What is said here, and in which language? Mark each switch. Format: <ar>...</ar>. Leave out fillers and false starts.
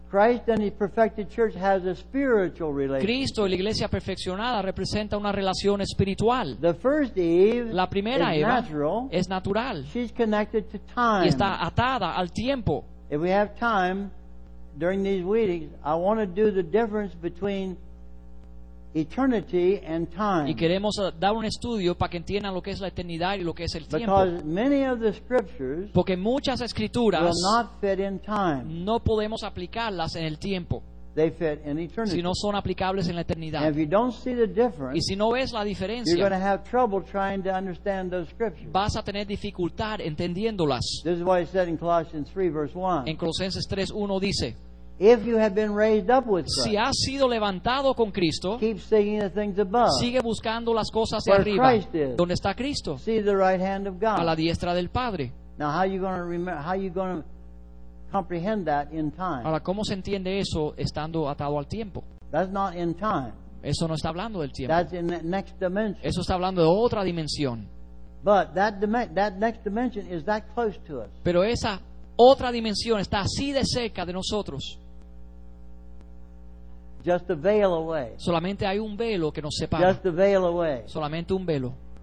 <en>Christ and His perfected church has a spiritual relationship.</en> <es>Cristo y la iglesia perfeccionada representa una relación espiritual.</es> <en>The first Eve,</en> <es>la primera</es> <en>is</en> <es>Eva,</es> <en>natural.</en> <es>Es natural.</es> <en>She's connected to time.</en> <es>Y está atada al tiempo.</es> <en>If we have time during these weeks, I want to do the difference between eternity and time.</en> <es>Y queremos dar un estudio para que entiendan lo que es la eternidad y lo que es el tiempo.</es> <en>Because many of the scriptures,</en> <es>porque muchas escrituras,</es> <en>will not fit in time.</en> <es>No podemos aplicarlas en el tiempo.</es> <en>They fit in eternity.</en> <es>Si no son aplicables en la eternidad.</es> <en>And if you don't see the difference,</en> <es>y si no ves la diferencia,</es> <en>you're going to have trouble trying to understand those scriptures.</en> <es>Vas a tener dificultad entendiéndolas.</es> <en>This is why it said in Colossians 3, verse 1.</en> <es>En Colosenses 3:1 dice.</es> <en>If you have been raised up with Christ,</en> <es>si has sido levantado con Cristo,</es> <en>keep seeking the things above,</en> <es>sigue buscando las cosas</es> <en>where</en> <es>arriba,</es> <en>Christ is,</en> <es>donde está Cristo,</es> <en>see the right hand of God,</en> <es>a la diestra del Padre.</es> <en>Now, how are you going to remember? How are you going to comprehend that in time?</en> <es>Ahora, ¿cómo se entiende eso estando atado al tiempo?</es> <en>That's not in time.</en> <es>Eso no está hablando del tiempo.</es> <en>That's in the next dimension.</en> <es>Eso está hablando de otra dimensión.</es> <en>But that next dimension is that close to us.</en> <es>Pero esa otra dimensión está así de cerca de nosotros.</es> <en>Just a veil away.</en> <es>Solamente hay un velo que nos separa.</es> <en>Just a veil away.</en> <es>Solamente un velo.</es>